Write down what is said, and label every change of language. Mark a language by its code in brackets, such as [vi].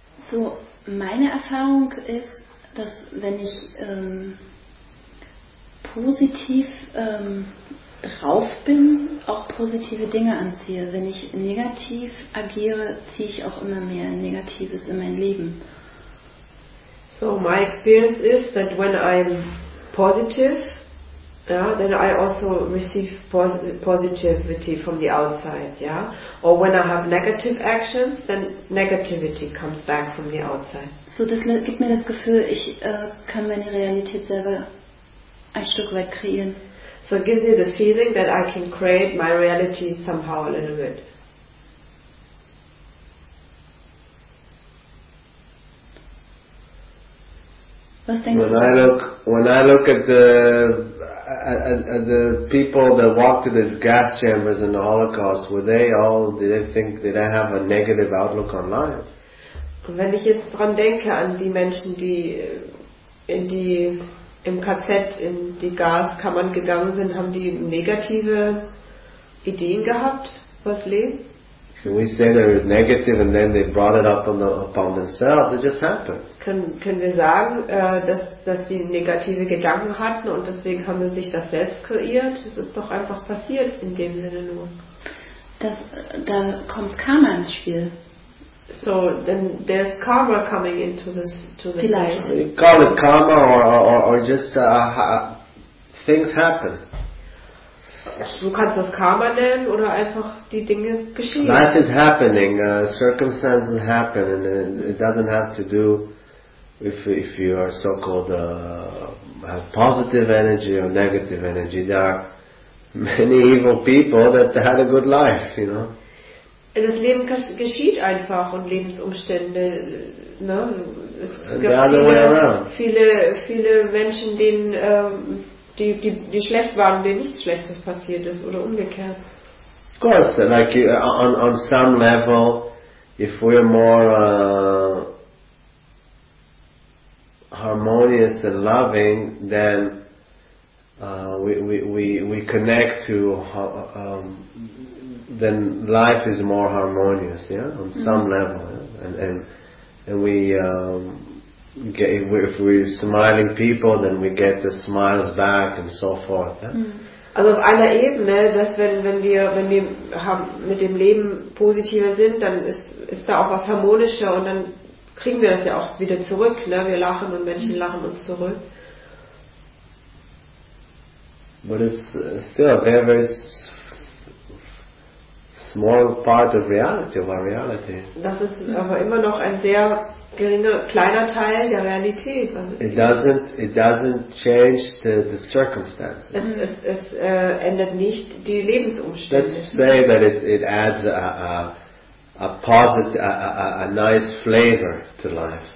[de] So, meine Erfahrung ist, dass wenn ich positiv drauf bin, auch positive Dinge anziehe. Wenn ich negativ agiere, ziehe ich auch immer mehr Negatives in mein Leben. [en] So, my experience is that when I'm positive, yeah, then I also receive positivity from the outside, yeah. Or when I have negative actions, then negativity comes back from the outside. [de] So, das gibt mir das Gefühl, ich kann meine Realität selber ein Stück weit kreieren. [en] So it gives me the feeling that I can create my reality somehow a little bit. When I look at the people that walked in these gas chambers in the Holocaust, did they have a negative outlook on life? [de] Wenn ich jetzt dran denke an die Menschen, die in die im KZ in die Gaskammern gegangen sind, haben die negative Ideen gehabt, was Leben? [en] Can we say they were negative and then they brought it up upon themselves? It just happened. [de] Können wir sagen, dass sie negative Gedanken hatten und deswegen haben sie sich das selbst kreiert? Es ist doch einfach passiert in dem Sinne nur. Da kommt Karma ins Spiel. [en] So then there's karma coming into this to the life. You call it karma or just things happen. [de] Du kannst das Karma nennen oder einfach die Dinge geschehen. [en] Life is happening, circumstances happen, and it doesn't have to do if you are so-called have positive energy or negative energy. There are many evil people that had a good life, you know. [de] Das Leben geschieht einfach und Lebensumstände, ne? Es gibt viele Menschen, denen die schlecht waren, denen nichts Schlechtes passiert ist oder umgekehrt. [en] Of course, like you, on some level, if we're more harmonious and loving, then we connect to then life is more harmonious, yeah, on some level, yeah? and we. If we're smiling people, then we get the smiles back and so forth. Yeah? [de] Also auf einer Ebene, dass wenn wir haben, mit dem Leben positiver sind, dann ist da auch was harmonischer und dann kriegen wir das ja auch wieder zurück. Ne? Wir lachen und Menschen lachen uns zurück. [en] But it's still a very, very small part of reality, of our reality. [de] Das ist aber immer noch ein sehr kleiner Teil der Realität. [en] It doesn't change the circumstances. [de] Es ändert nicht die Lebensumstände. [en] Let's say that it adds a positive, a nice flavor to life.